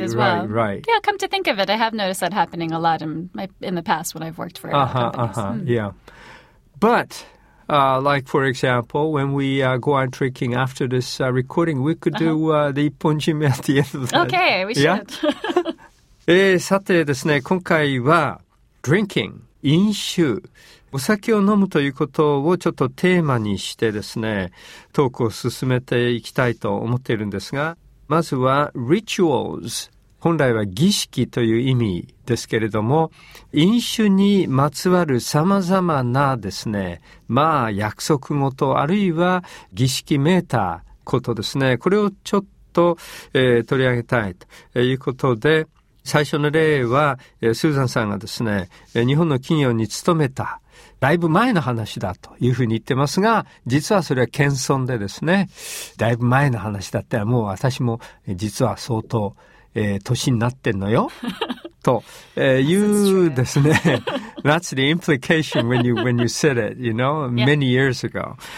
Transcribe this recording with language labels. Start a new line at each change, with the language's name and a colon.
English: as well. Yeah, come to think of it, I have noticed that happening a lot in the past when I've worked for companies. But like, for example, when we go out drinking after this recording, we could do the ipponjime at the end of the Okay, we should. Yeah?
Japanese: さてですね、今回は drinking, 飲酒、お酒を飲むということをちょっとテーマにしてですね、トークを進めていきたいと思っているんですが、まずは rituals、本来は儀式という意味ですけれども、飲酒にまつわる様々なですね、まあ約束事あるいは儀式めいたことですね、これをちょっと、取り上げたいということで、最初の例は、スーザンさんがですね、日本の企業に勤めた、だいぶ前の話だというふうに言ってますが、実はそれは謙遜でですね、だいぶ前の話だったらもう私も実は相当、年になってんのよと、いうですね。
English: That's the implication when you said it, you know, many years ago.